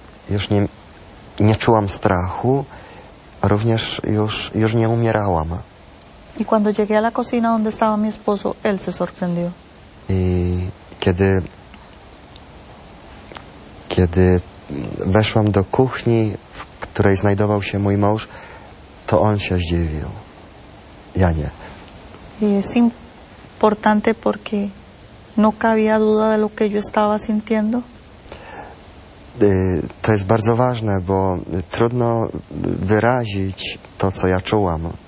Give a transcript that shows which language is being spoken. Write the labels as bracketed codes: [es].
[pl] Już nie czułam strachu, a również już nie umierałam. [es] I cuando llegué a la cocina donde estaba mi esposo, él se sorprendió. [pl] I kiedy weszłam do kuchni, w której znajdował się mój mąż, to on się zdziwił. Ja nie. [es] Y es importante porque no cabía duda de lo que yo estaba sintiendo. [pl] To jest bardzo ważne, bo trudno wyrazić to, co ja czułam.